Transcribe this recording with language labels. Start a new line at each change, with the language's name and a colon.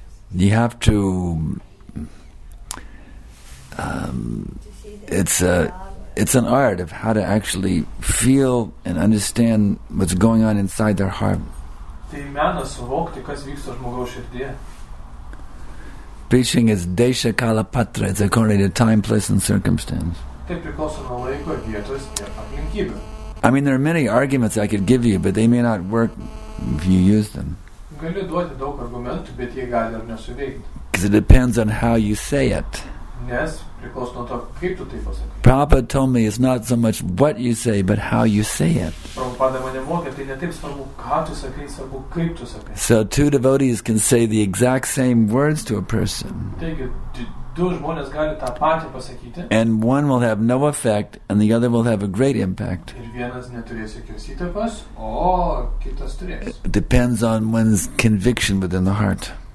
English: You have to it's an art of how to actually feel and understand what's going on inside their heart.
Lithuanian: Tai menas suvokti, kas vyksta žmogaus širdyje.
English: Preaching is desha kala patra, it's according to time, place and circumstance. I mean, there are many arguments I could give you, but they may not work if you use them.
Lithuanian: Galiu duoti daug argumentų, bet jie gali ar nesuveikti.
English: Because it depends on how you say it.
Lithuanian: Nes priklauso nuo to, kaip tu tai pasakai.
English: Prabhupada told me it's not so much what you say, but how you say it.
Lithuanian: Prabhupada mane mokė, tai ne taip svarbu, ką tu sakai, svarbu, kaip tu sakai.
English: So two devotees can say the exact same words to a person.
Lithuanian: Taigi, du žmonės gali tą patį pasakyti.
English: And one will have no effect, and the other will have a great impact.
Lithuanian: Ir vienas neturės jokios įtakos, o kitas turės.
English: It depends on one's conviction within the heart.